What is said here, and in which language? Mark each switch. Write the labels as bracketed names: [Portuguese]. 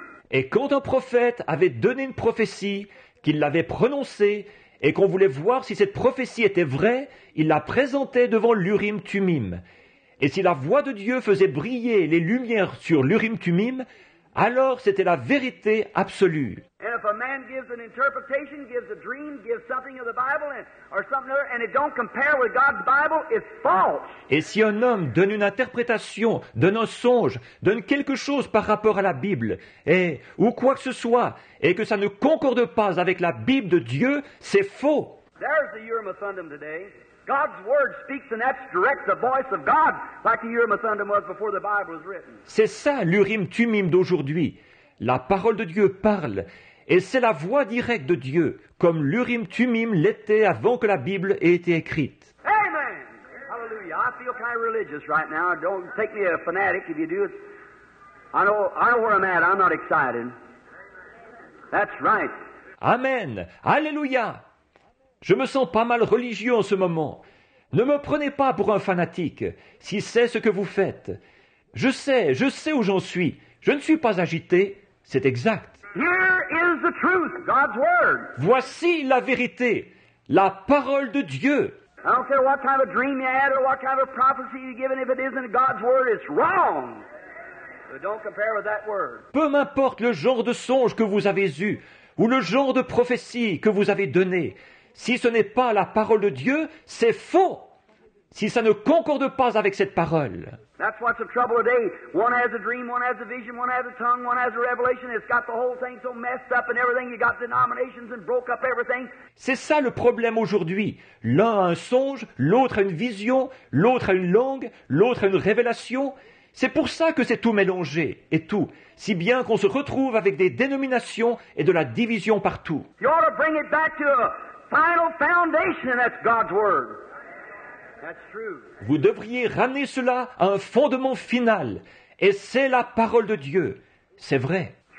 [French] Et quand un prophète avait donné une prophétie, qu'il l'avait prononcée, et qu'on voulait voir si cette prophétie était vraie, il la présentait devant l'Urim Thummim. Et si la voix de Dieu faisait briller les lumières sur l'Urim Thummim, alors c'était la vérité absolue. [English] And if a man gives an interpretation, gives a dream, gives something of the Bible and, or something other, and it don't compare with God's Bible, it's false. [French] Et si un homme donne une interprétation, donne un songe, donne quelque chose par rapport à la Bible, et, ou quoi que ce soit, et que ça ne concorde pas avec la Bible de Dieu, c'est faux. [English] There's the Urim Thummim today. God's word speaks and that's direct the voice of God like the Urim Thummim was before the Bible was written. [French] C'est ça l'Urim Thummim d'aujourd'hui. La parole de Dieu parle, et c'est la voix directe de Dieu, comme l'Urim Thummim l'était avant que la Bible ait été écrite. [English] Amen! Hallelujah! I feel kind of religious right now. Don't take me a fanatic if you do. I know where I'm at. I'm not excited. That's right. [French] Amen! Alléluia! Je me sens pas mal religieux en ce moment. Ne me prenez pas pour un fanatique, si c'est ce que vous faites. Je sais où j'en suis. Je ne suis pas agité, c'est exact. [English] Here is the truth, God's word. [French] Voici la vérité, la parole de Dieu. [English] I don't care what kind of dream you had or what kind of prophecy you've given, if it isn't God's word, it's wrong. But don't compare with that word. [French] Peu m'importe le genre de songe que vous avez eu ou le genre de prophétie que vous avez donné, si ce n'est pas la parole de Dieu, c'est faux. Si ça ne concorde pas avec cette parole. [English] That's what's the trouble today. One has a dream, one has a vision, one has a tongue, one has a revelation. It's got the whole thing so messed up and everything. You got denominations and broke up everything. [French] C'est ça le problème aujourd'hui. L'un a un songe, l'autre a une vision, l'autre a une langue, l'autre a une révélation. C'est pour ça que c'est tout mélangé et tout, si bien qu'on se retrouve avec des dénominations et de la division partout. [English] You ought to bring it back to a final foundation, and that's God's word. That's true. [French] Vous devriez ramener cela à un fondement final, et c'est la parole de Dieu. C'est vrai.